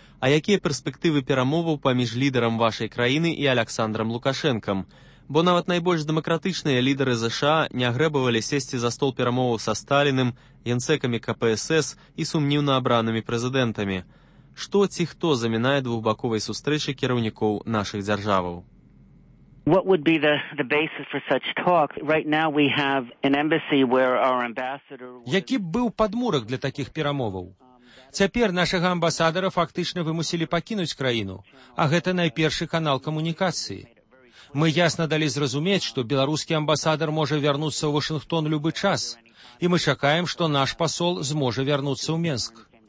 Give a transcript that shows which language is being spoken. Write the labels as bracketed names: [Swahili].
[Belarusian] А якія перспектывы перамоваў паміж лідарам вашай краіны і Аляксандрам Лукашэнкам? Бо нават найбольш дэмакратычныя лідары ЗША не агрэбавалі сесці за стол перамоваў са Сталіным, генсэкамі КПСС і сумніўна абранымі прэзідэнтамі. Што ці хто замінае двухбаковай сустрэчы кіраўнікоў нашых дзяржаваў? [English] What would be the basis for such talk? Right now we have an embassy where our ambassador. [Belarusian] Які б быў падмурак для такіх перамоваў? Цяпер нашага амбасадара фактычна вымусілі пакінуць краіну, а гэта найпершы канал камунікацыі. Мы ясна далі зразумець, што беларускі амбасадар можа вярнуцца ў Вашынгтон любы час, і мы чакаем, што наш пасол зможа вярнуцца ў Менск.